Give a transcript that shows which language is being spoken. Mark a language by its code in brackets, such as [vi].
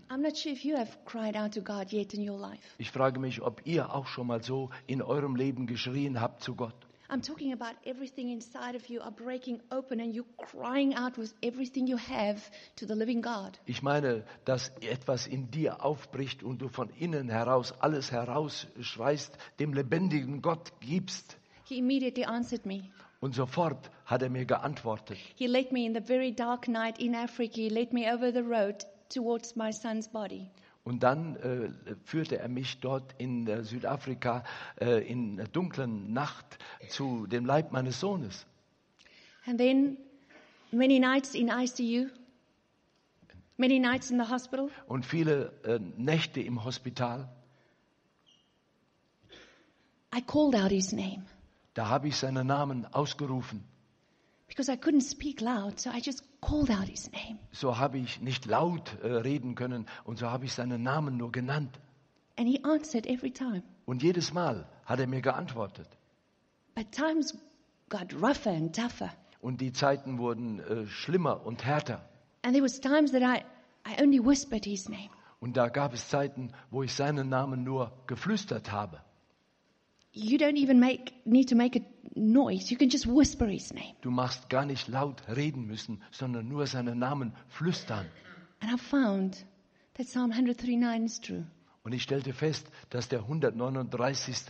[en] I'm not sure if you have cried out to God yet in your life. [de] Ich frage mich, ob ihr auch schon mal so in eurem Leben geschrien habt zu Gott. [en] I'm talking about everything inside of you are breaking open and you're crying out with everything you have to the living God. [de] Ich meine, dass etwas in dir aufbricht und du von innen heraus alles herausschreist, dem lebendigen Gott gibst. [en] He immediately answered me. [de] Und sofort hat er mir geantwortet. [en] He led me in the very dark night in Africa. He led me over the road towards my son's body. [de] Und dann führte er mich dort in Südafrika in der dunklen Nacht zu dem Leib meines Sohnes. [en] And then many nights in ICU. Many nights in the hospital. [de] Und viele Nächte im Hospital. [en] I called out his name. [de] Da habe ich seinen Namen ausgerufen. [en] Because I couldn't speak loud, so I just called out his name. [de] So habe ich nicht laut reden können und so habe ich seinen Namen nur genannt. [en] And he answered every time. [de] Und jedes Mal hat er mir geantwortet. [en] But times got rougher and tougher. [de] Und die Zeiten wurden schlimmer und härter. [en] And there was times that I only whispered his name. [de] Und da gab es Zeiten, wo ich seinen Namen nur geflüstert habe. [en] You don't even need to make a noise. You can just whisper his name. [de] Du machst gar nicht laut reden müssen, sondern nur seinen Namen flüstern. [en] And I found that Psalm 139 is true. [de] Und ich stellte fest, dass der 139.